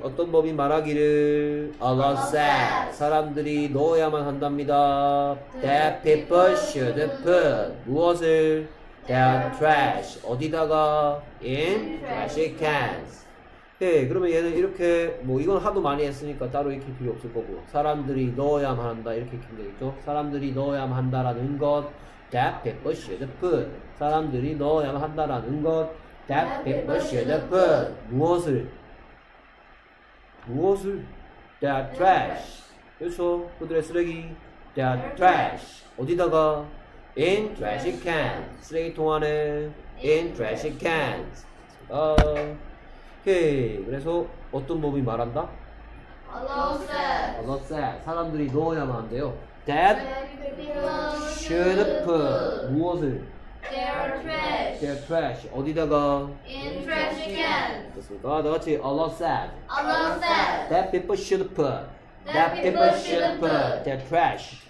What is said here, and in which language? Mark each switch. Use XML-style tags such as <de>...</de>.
<ko>어떤 법이 말하기를</ko> <en>Allah says</en> <ko>사람들이 넣어야만 한답니다.</ko> <en>That people should put</en> <ko>무엇을?</ko> <en>Their trash</en> <ko>어디다가?</ko> <en>In trash cans.</en> <ko>네, 그러면 얘는 이렇게, 뭐, 이건 하도 많이 했으니까 따로 익힐 필요 없을 거고, 사람들이 넣어야만 한다, 이렇게 익히면 되겠죠? 사람들이 넣어야만 한다라는 것,</ko> <en>that people should put.</en> <ko>사람들이 넣어야만 한다라는 것,</ko> <en>that people should put.</en> <ko>무엇을? 무엇을?</ko> <en>That trash.</en> <ko>그렇죠? 그들의 쓰레기,</ko> <en>that trash.</en> <ko>어디다가?</ko> <en>In trash cans.</en> <ko>쓰레기통 안에,</ko> <en>in trash cans.</en> <ko>오케이. 그래서 어떤 법이 말한다?</ko> <en>Allah says</en> <ko>사람들이 넣어야만 한대요.</ko> <en>That should put</en> <ko>무엇을?</ko> <en>Their trash</en> <ko>어디다가?</ko> <en>In trash cans.</en> <ko>그렇습니까? 나같이</ko> <en>Allah said Allah says that people should put that people should put their trash</en>